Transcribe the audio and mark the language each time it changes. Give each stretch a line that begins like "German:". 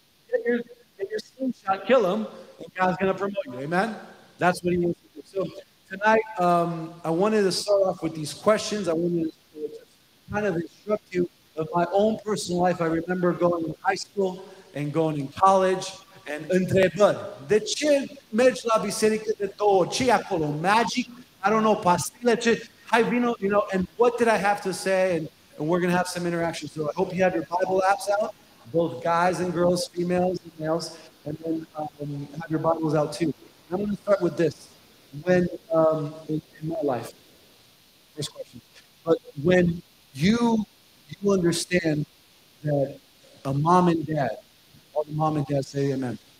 English: Get your slingshot, kill him, and God's going to promote you. Amen? That's what he wants to do. So tonight, I wanted to start off with these questions. I wanted to kind of instruct you of my own personal life. I remember going in high school and going in college.
Romanian: And întrebări. De ce mergi la biserică de două? Ce e acolo? Magic?
English: I don't know.
Romanian: Pastile? Ce? Hai vino,
English: you know, and what did I have to say? And we're going to have some interaction. So I hope you have your Bible apps out, both guys and girls, females and males, and then have your Bibles out too. I'm going to start with this. When, in my life, first question, but when you understand that a mom and dad, all the mom and dads say amen.